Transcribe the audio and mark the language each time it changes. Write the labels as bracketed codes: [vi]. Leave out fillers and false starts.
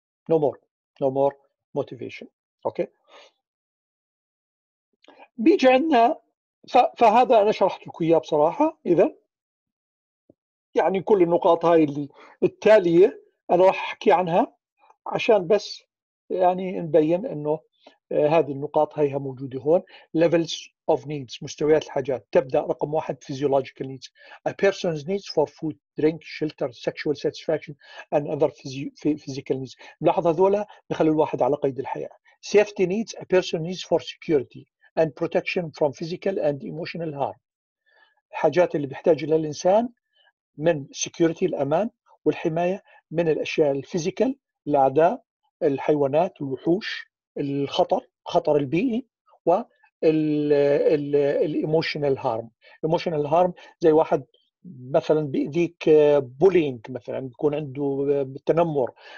[en] No more no more motivation. [ar] اوكي، بيجي عندنا فهذا انا شرحت لكم اياه بصراحه. اذا يعني كل النقاط هاي اللي التالية أنا راح أحكي عنها عشان بس يعني نبين إنه هذه النقاط هايها موجودة هون. [en] levels of needs [ar] مستويات الحاجات. تبدأ رقم واحد [en] physiological needs a person's needs for food drink shelter sexual satisfaction and other physical needs. [ar] ملاحظة هذولا بخلوا الواحد على قيد الحياة. [en] safety needs a person needs for security and protection from physical and emotional harm. [ar] الحاجات اللي بيحتاج لها الإنسان من security الأمان والحماية من الأشياء الفيزيكال الأعداء الحيوانات الوحوش الخطر خطر البيئي والإيموشنال هارم. إيموشنال هارم زي واحد مثلا بيأذيك بولينج مثلا بيكون عنده التنمر.